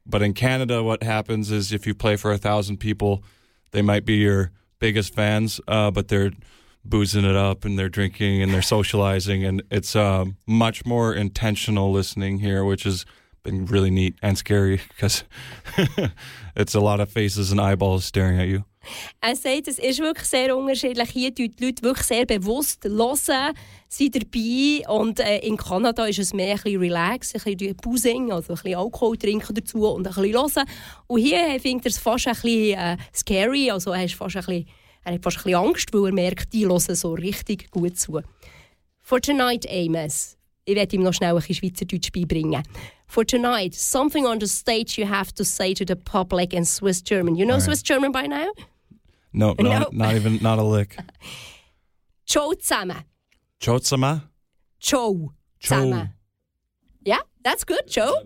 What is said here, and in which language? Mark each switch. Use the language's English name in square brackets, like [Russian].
[English] But in Canada, what happens is if you play for 1,000 people, they might be your biggest fans, but they're boozing it up and they're drinking and they're socializing. And it's much more intentional listening here, which has been really neat and scary because it's a lot of faces and eyeballs staring at you. [German] Er sagt, es ist wirklich sehr unterschiedlich. Hier hören die Leute wirklich sehr bewusst, hören, sind dabei. Und in Kanada ist es mehr ein bisschen relaxed, ein bisschen boozing, also ein bisschen Alkohol trinken dazu und ein bisschen hören. Und hier findet er es fast ein bisschen scary. Also er hat fast ein bisschen Angst, weil er merkt, die hören so richtig gut zu. [English] For tonight, Amos. [German] Ich werde ihm noch schnell ein bisschen Schweizerdeutsch beibringen. [English] For tonight, something on the stage you have to say to the public in Swiss German. You know right. Swiss German by now? No, not a lick. [German] Ciao zusammen. Ciao zusammen. Ciao zusammen. [English] Yeah, that's good. Ciao.